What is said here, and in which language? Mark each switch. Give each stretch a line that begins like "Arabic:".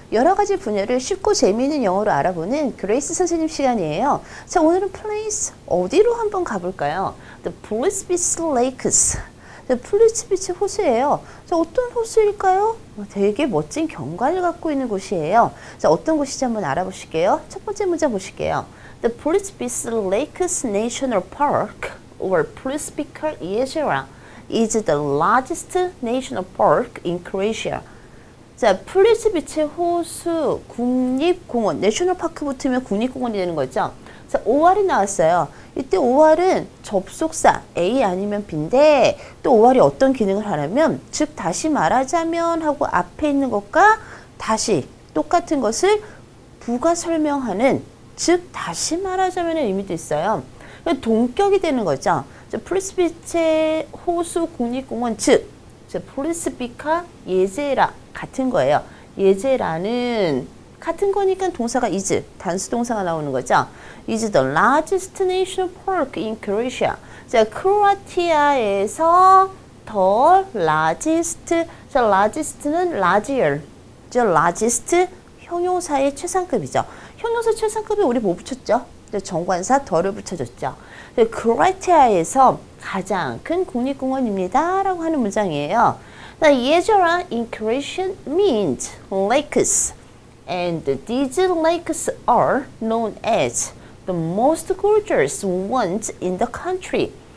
Korean: 여러 가지 분야를 쉽고 재미있는 영어로 알아보는 그레이스 선생님 시간이에요. 자, 오늘은 플레이스 어디로 한번 가볼까요? The Bliss Beach Lakes. The Bliss Beach 호수예요. 자, 어떤 호수일까요? 되게 멋진 경관을 갖고 있는 곳이에요. 자, 어떤 곳인지 한번 알아보실게요. 첫 번째 문장 보실게요.
English: The Bliss Beach Lakes National Park, or Plitvice Jezera, is the largest national park in Croatia.
Korean: 자, 플리츠비치 호수 국립공원, 내셔널파크 붙으면 국립공원이 되는 거죠. 자, OR이 나왔어요. 이때 OR은 접속사 A 아니면 B인데, 또 OR이 어떤 기능을 하냐면, 즉 다시 말하자면 하고 앞에 있는 것과 다시 똑같은 것을 부가 설명하는, 즉 다시 말하자면의 의미도 있어요. 동격이 되는 거죠. 자, 플리츠비치 호수 국립공원, 즉 플리츠비카 예제라 같은 거예요. 예제라는 같은 거니까 동사가 is, 단수 동사가 나오는 거죠.
English: is the largest national park in Croatia.
Korean: 자, 크로아티아에서 the largest. 자, largest는 larger. 저 largest 형용사의 최상급이죠. 형용사 최상급에 우리 뭐 붙였죠? 정관사 the를 붙여줬죠. 크로아티아에서 가장 큰 국립공원입니다라고 하는 문장이에요.
English: The Jezera in Croatian means lakes, and these lakes are known as the most gorgeous ones in the country.